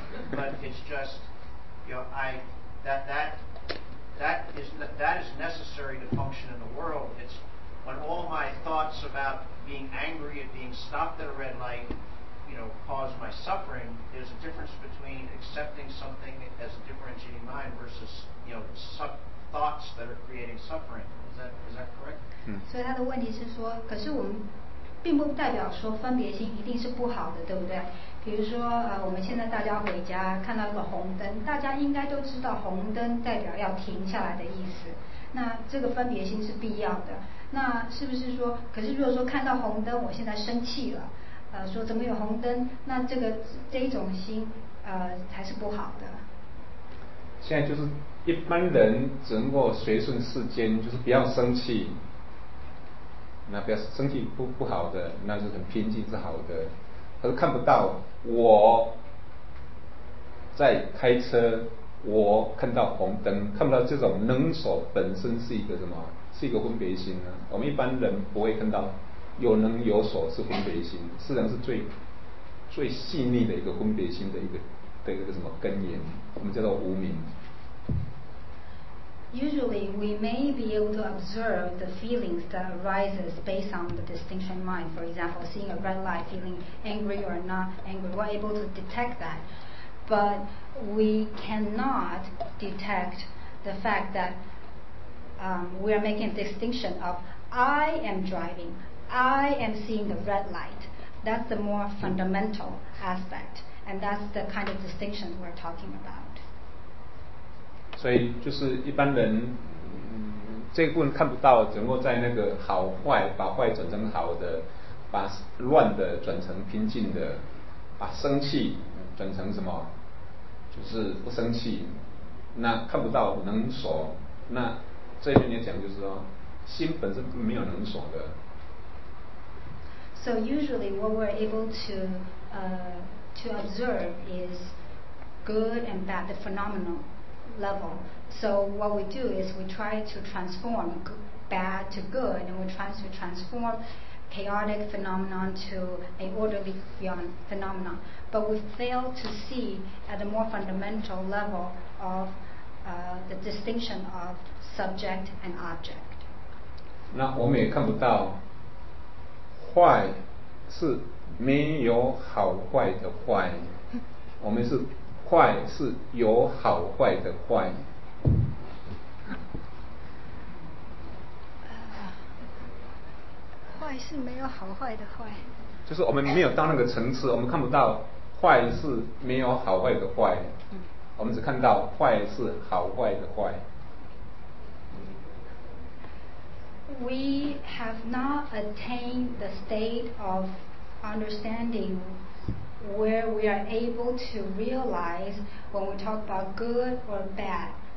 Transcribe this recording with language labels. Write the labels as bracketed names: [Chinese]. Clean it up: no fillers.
[English] But it's just, you know, that is necessary to function in the world. It's when all my thoughts about. Being angry at being stopped at a red light, you know, caused my suffering. There's a difference between accepting something as a differentiating mind versus, you know, thoughts that are creating suffering. Is that correct? [Chinese] 所以他的问题是说，可是我们并不代表说分别心一定是不好的，对不对？比如说，我们现在大家回家看到一个红灯，大家应该都知道红灯代表要停下来的意思。那这个分别心是必要的。那是不是说，可是如果说看到红灯，我现在生气了，说怎么有红灯？那这种心，才是不好的。现在就是一般人只能够随顺世间，就是不要生气。那不要生气不好的，那就很平静是好的。可是看不到我在开车，我看到红灯，看不到这种能守本身是一个什么？是一个分别心啊，我们一般人不会看到有能有所是分别心，实际上是最细腻的一个分别心的一个什么根源，我们叫做无明。 [English] usually we may be able to observe the feelings that arises based on the distinction mind. For example, seeing a red light, feeling angry or not angry, we're able to detect that. But we cannot detect the fact that we are making a distinction of I am driving, I am seeing the red light. That's the more fundamental aspect, and that's the kind of distinction we're talking about. [Chinese] 所以就是一般人，这部分看不到，只能够在那个好坏，把坏转成好的，把乱的转成平静的，把生气转成什么，就是不生气。那看不到能所，那这边你讲就是说，心本身没有能所的。 [English] So usually what we're able to observe is good and bad, the phenomenal level. So what we do is we try to transform bad to good, and we try to transform chaotic phenomenon to an orderly phenomenon. But we fail to see at a more fundamental level of the distinction of subject and object. [Chinese] 那我们也看不到坏是没有好坏的坏，我们是坏是有好坏的坏。坏是没有好坏的坏。就是我们没有到那个层次，我们看不到坏是没有好坏的坏，我们只看到坏是好坏的坏。 [English] We have not attained the state of understanding where we are able to realize when we talk about good or bad.